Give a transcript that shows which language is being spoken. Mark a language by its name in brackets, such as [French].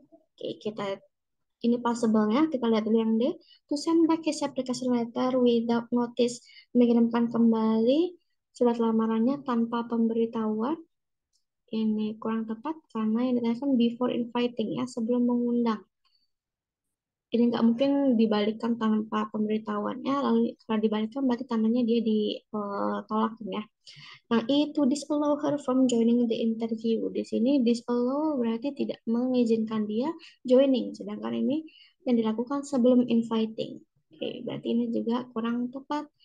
[Indonesian] Oke, kita ini possible-nya, kita lihat dulu yang D, [English] to send back his application letter without notice, [Indonesian] mengirimkan kembali surat lamarannya tanpa pemberitahuan. Ini kurang tepat karena yang ditanyakan [English] before inviting [Indonesian] ya, sebelum mengundang. Ini nggak mungkin dibalikkan tanpa pemberitahuannya. Lalu kalau dibalikkan berarti tandanya dia ditolak ya. Nah, itu [English] disallow her from joining the interview. [Indonesian] Di sini disallow berarti tidak mengizinkan dia joining. Sedangkan ini yang dilakukan sebelum inviting. Oke, berarti ini juga kurang tepat.